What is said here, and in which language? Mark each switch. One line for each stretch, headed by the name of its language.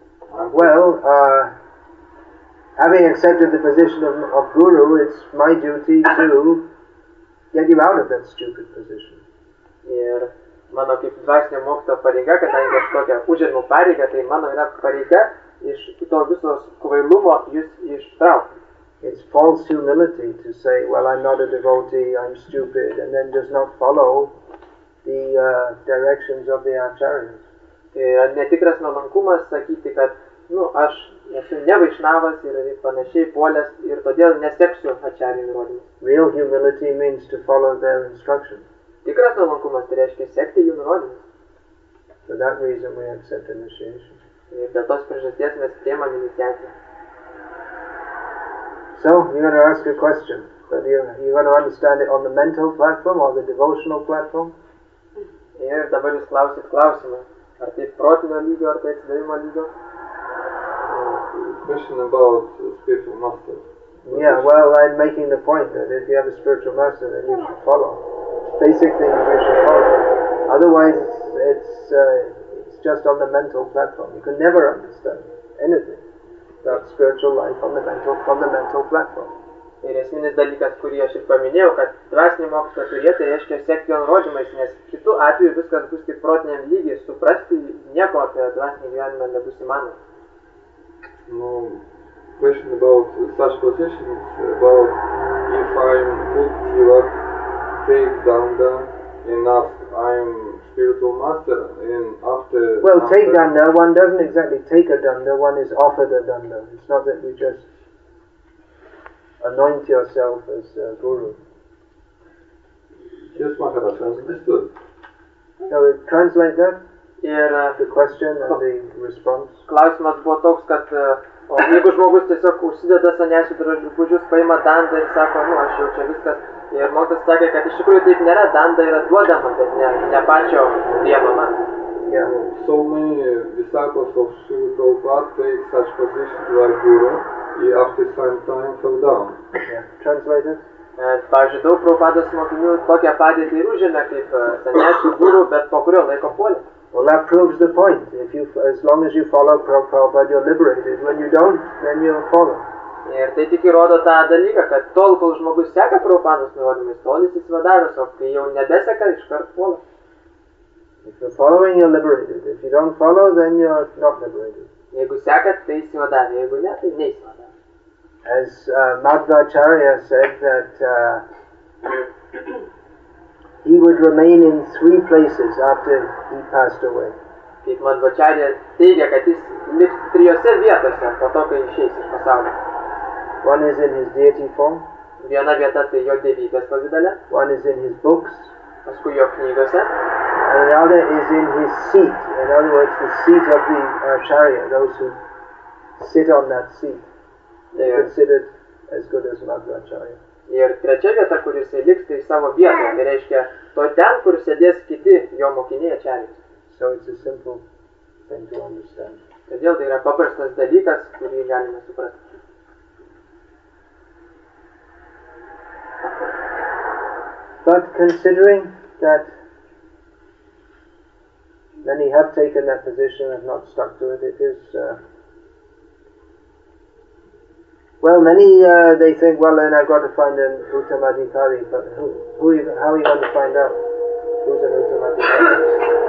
English: Well, having accepted the position of guru, it's my duty to get you out of that stupid position.
Lithuanian: Ir mano kaip dvasinio mokyto pareiga, kadangi aš tokia užėmiau pareigą, tai mano yra pareiga iš to visos kvailumo jūs ištraukti.
English: It's false humility to say, well, I'm not a devotee, I'm stupid, and then does not follow the directions of the acharyas.
Lithuanian: Ir netikras nuolankumas sakyti, kad aš esu nevaišnavas ir panašiai puolęs ir todėl neseksiu acharyų nurodymų.
English: Real humility means to follow their instructions.
Lithuanian: Tikras nuolankumas reiškia sekti jų nurodymus.
English: For that reason we accept initiation.
Lithuanian: Ir dėl tos priežasties mes priimam iniciaciją.
English: So, you're going to ask a question, but you're going to understand it on the mental platform or the devotional platform?
Lithuanian: Ir dabar jūs klausit klausimą. Ar tai protinio lygio, ar tai atsidavimo lygio?
English: Question about spiritual master. Yeah, well, I'm making the point that if you have a spiritual master, then you should follow. Basic thing you should follow. Otherwise, it's just on the mental platform. You can never understand anything about spiritual life on the mental platform.
Lithuanian: Ir esminis dalykas, kurį aš ir paminėjau, kad dvasinį mokslą turėti reiškia sekti jo nurodymais, nes kitu atveju viskas bus tik protiniam lygiai, suprasti nieko apie dvasinį gyvenimą nebus įmanoma.
English: No, question about such positions, about if I'm put tila, take danda, and ask, I'm spiritual master, and after... Well, take danda, one doesn't exactly take a danda, one is offered a danda. It's not that we just anoint yourself as a guru. Yes, Maharaj, understood. Shall we translate that? The question and the response.
Lithuanian: Klausimas buvo toks, kad jeigu žmogus tiesiog užsideda sanesių drabužius, paima dandą ir sako, aš jau čia viskas. Ir mokytas sakė, kad iš tikrųjų taip nėra, danda yra duodama, bet ne pačio priemama.
English: Yeah. So many disciples of Sri Prabhupada take such positions like guru, after some time fell down. Yeah. Translate it.
Lithuanian: Pavyzdžiui, daug Prabhupados mokinių tokią padėtį ir užėmė kaip sanesių guru, bet po kurio laiko puolė.
English: Well, that proves the point. If you, as long as you follow Prabhupada, you're liberated. When you don't, then you're fallen.
Lithuanian: Ir tai tik įrodo tą dalyką, kad tol, kol žmogus seka Prabhupados nurodymais, tol jis įsivadavęs, o kai jau nebeseka, iškart puola.
English: If you're following, you're liberated. If you don't follow, then you're not liberated.
Lithuanian: Jeigu seka, tai įsivadavę. Jeigu ne, tai neįsivadavę.
English: As Madhvacharya said that he would remain in three places after he passed away.
Lithuanian: Kaip Madhvacharya teigia, kad jis liks trijose vietose po to, kai išeis iš pasaulio.
English: One is in his deity form.
Lithuanian: Viena vieta tai jo dievybės pavidale.
English: One is in his books.
Lithuanian: Paskui jo knygose.
English: And the other is in his seat. In other words, the seat of the acharya, those who sit on that seat. They are considered as good as Madhvacharya.
Lithuanian: Ir trečia vieta, kur jisai liks, tai savo vietą. Tai reiškia, to ten, kur sėdės kiti jo mokiniai acharya.
English: So it's a simple thing to understand.
Lithuanian: Todėl tai yra paprastas dalykas, kurį galime suprasti.
English: But considering that many have taken that position and not stuck to it, it is, well, many, they think, well, then I've got to find an Uttamadhikari, but who even, how are you going to find out who's an